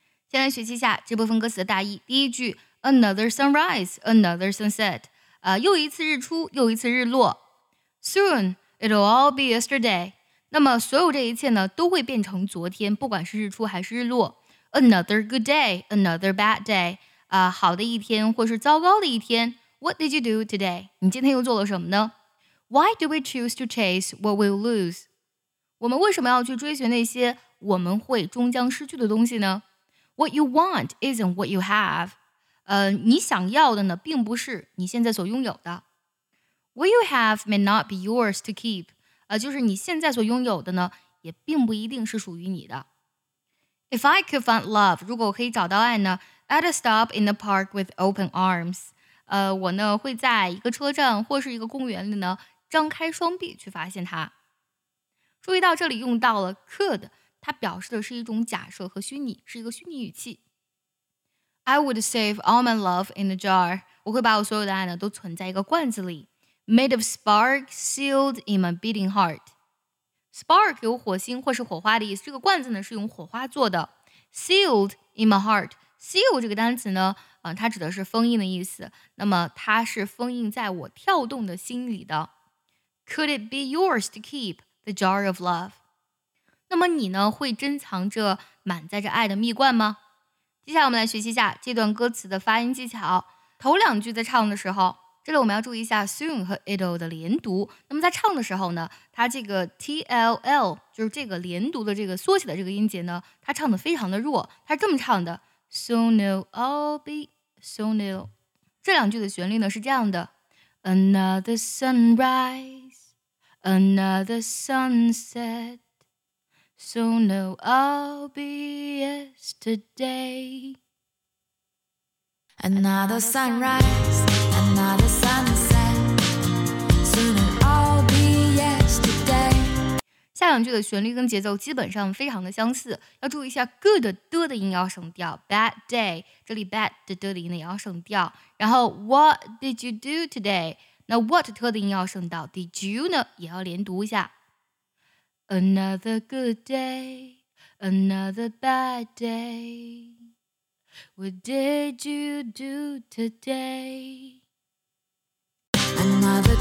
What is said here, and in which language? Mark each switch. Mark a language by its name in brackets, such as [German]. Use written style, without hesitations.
[Chinese] 先来学习一下这部分歌词的大意。第一句 [English] Another sunrise, another sunset、 [Chinese] 又一次日出，又一次日落。 [English] Soon, it'll all be yesterday。 [Chinese] 那么所有这一切呢，都会变成昨天，不管是日出还是日落。 [English] Another good day, another bad day、 [Chinese] 好的一天或是糟糕的一天。 [English] What did you do today? [Chinese] 你今天又做了什么呢? [English] Why do we choose to chase what we'll lose? [Chinese] 我们为什么要去追寻那些我们会终将失去的东西呢? [English] What you want isn't what you have. [Chinese] 你想要的呢并不是你现在所拥有的。 [English] What you have may not be yours to keep. [Chinese] 就是你现在所拥有的呢也并不一定是属于你的。 [English] If I could find love, [Chinese] 如果我可以找到爱呢, [English] I'd stop in the park with open arms. [Chinese] 我呢会在一个车站或是一个公园里呢张开双臂去发现它。注意到这里用到了 could， 它表示的是一种假设和虚拟，是一个虚拟语气。 [English] I would save all my love in a jar， [Chinese] 我会把我所有的爱呢都存在一个罐子里 [English] ，made of spark sealed in my beating heart。 [Chinese] Spark 有火星或是火花的意思，这个罐子呢是用火花做的 ， [English] sealed in my heart。 [Chinese] Seal 这个单词呢、它指的是封印的意思，那么它是封印在我跳动的心里的。 [English] Could it be yours to keep the jar of love? [Chinese] 那么你呢会珍藏着满载着爱的蜜罐吗？接下来我们来学习一下这段歌词的发音技巧。头两句在唱的时候，这里我们要注意一下 soon 和 it'll 的连读。那么在唱的时候呢，它这个 TLL 就是这个连读的这个缩写的这个音节呢，它唱的非常的弱，它是这么唱的。 [English] Soon it'll all be soon it'll. [Chinese] 这两句的旋律呢是这样的 [English] Another sunrise, another sunset. Soon it'll all be yesterday. Another sunrise, another sunset. Soon it'll all be yesterday. [Chinese] 下两句的旋律跟节奏基本上非常的相似，要注意一下 good 的的音要省掉 ，bad day 这里 bad 的音呢也要省掉，然后 [English] what did you do today [Chinese] 那 what 的音要省到 ，did you 呢也要连读一下 [English] ，another good day，another bad day，what did you do today？Another